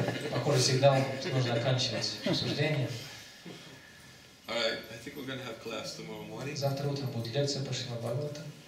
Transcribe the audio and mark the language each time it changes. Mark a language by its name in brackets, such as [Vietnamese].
[Russian] Похоже, всегда нужно оканчивать обсуждение. [English] All right, I think we're going to have class tomorrow morning. [Russian] Завтра утром будет лекция по Шримад Бхагаватам.